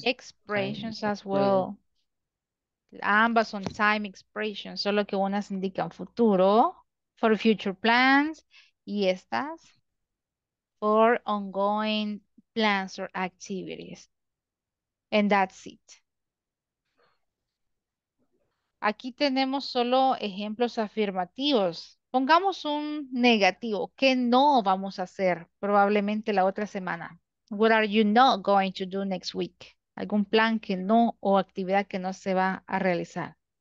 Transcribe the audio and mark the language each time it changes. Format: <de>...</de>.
<en>expressions time. As well.</en> <es>Ambas son time expressions, solo que unas indican futuro,</es> <en>for future plans,</en> <es>y estas,</es> <en>for ongoing plans or activities. And that's it.</en> <es>Aquí tenemos solo ejemplos afirmativos. Pongamos un negativo. ¿Qué no vamos a hacer probablemente la otra semana?</es> <en>What are you not going to do next week?</en> <es>¿Algún plan que no o actividad que no se va a realizar?</es>